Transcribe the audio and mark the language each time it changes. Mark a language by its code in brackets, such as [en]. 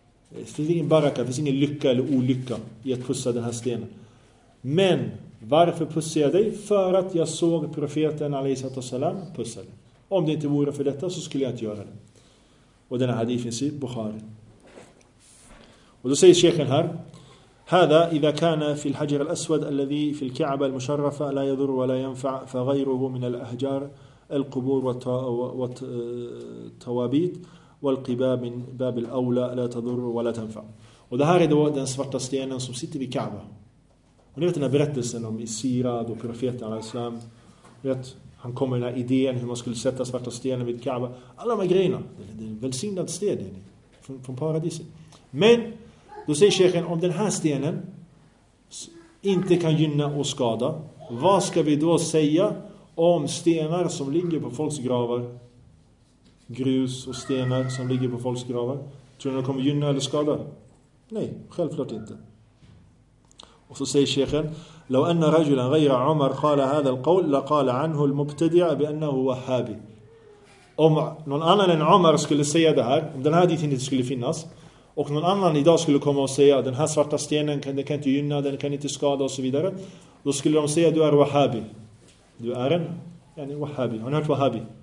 [sv] Det finns ingen baraka, det finns ingen lycka eller olycka i att pussa den här stenen. Men varför pussar jag dig? För att jag såg profeten a.s. pussa dig. Om det inte vore för detta så skulle jag inte göra det. Och den här hadith finns i Bukhari. Och då säger sheikhen här. [ar] هذا إذا كان في الحجر الأسود الذي في الكعبة المشرفة لا يضر ولا ينفع فغيره من الأحجار القبور والتوابيت والقباب من باب الأولى لا تضر ولا تنفع. [sv] Och det här är då den svarta stenen som sitter vid Kaaba. Och ni vet den här berättelsen om Sirad och profeten al-Islam. Vet, han kom med den här idén hur man skulle sätta svarta stenen vid Kaaba. Alla de här grejerna. Det är en välsignad sten från paradiset. Men då säger sheikhen, om den här stenen inte kan gynna och skada, vad ska vi då säga om stenar som ligger på folks gravar? Grus och stenar som ligger på folks gravar. Tror ni de kommer gynna eller skada? Nej, självklart inte. Och så säger sheikhen, [ar] لو أن رجلا غير عمر قال هذا القول لقال عنه المبتدع بأنه وهابي. [sv] Om någon annan än Omar skulle säga det här, om den här ditt inte skulle finnas, och någon annan idag skulle komma och säga den här svarta stenen den kan inte gynna, den kan inte skada och så vidare. Då skulle de säga du är wahhabi. Du är en wahhabi. Har ni hört wahhabi?